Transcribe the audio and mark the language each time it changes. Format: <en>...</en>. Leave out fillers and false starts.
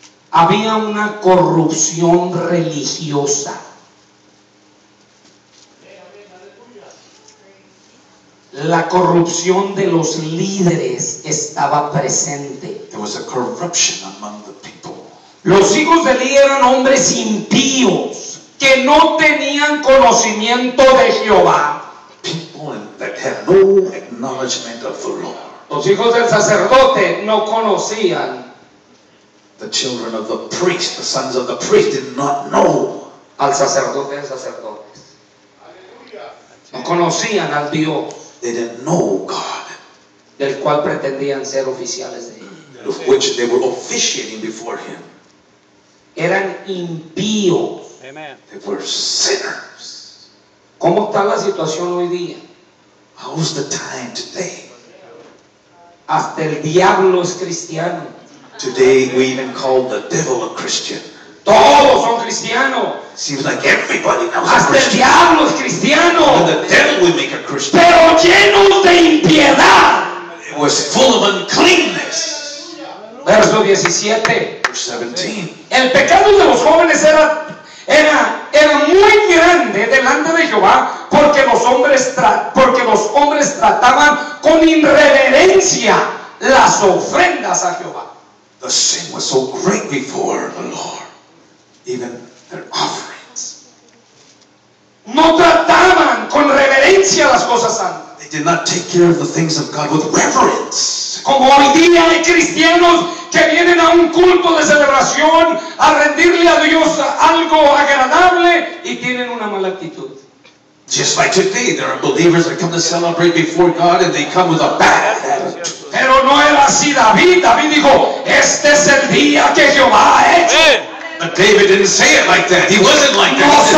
<es>Había una corrupción religiosa. La corrupción de los líderes estaba presente.</es> <en>There was a corruption among the people.</en> <es>Los hijos de Eli eran hombres impíos que no tenían conocimiento de Jehová.</es> <en>That had no acknowledgement of the Lord.</en> <es>Los hijos del sacerdote no conocían.</es> <en>The children of the priest, the sons of the priest, did not know.</en> <es>al sacerdote de sacerdotes. No conocían al Dios.</es> <en>They didn't know God.</en> <es>Del cual pretendían ser oficiales de él.</es> <en>Of which they were officiating before him.</en> <es>Eran impíos.</es> <en>Amen. They were sinners.</en> <es>¿Cómo está la situación hoy día?</es> <en>How's the time today?</en> <es>Hasta el diablo es cristiano.</es> <en>Today we even call the devil a Christian.</en> <es>Todos son cristianos.</es> <en>Seems like everybody else.</en> <es>Hasta el diablo es cristiano.</es> <en>And the devil we make a Christian.</en> <es>Pero lleno de impiedad.</es> <en>It was full of uncleanness.</en> <es>Verso 17.</es> <en>Verse 17.</en> <es>El pecado de los jóvenes era muy grande delante de Jehová, porque los hombres trataban con irreverencia las ofrendas a Jehová.</es> <en>The sin was so great before the Lord, even their offerings.</en> <es>No trataban con reverencia las cosas santas.</es> <en>They did not take care of the things of God with reverence.</en> <es>Como hoy día hay cristianos que vienen a un culto de celebración a rendirle a Dios algo agradable y tienen una mala actitud.</es> <en>Just like today, there are believers that come to celebrate before God and they come with a bad attitude.</en> <es>Pero no era así David. David dijo, este es el día que Jehová ha hecho.</es> <en>But David didn't say it like that. He wasn't like that.</en>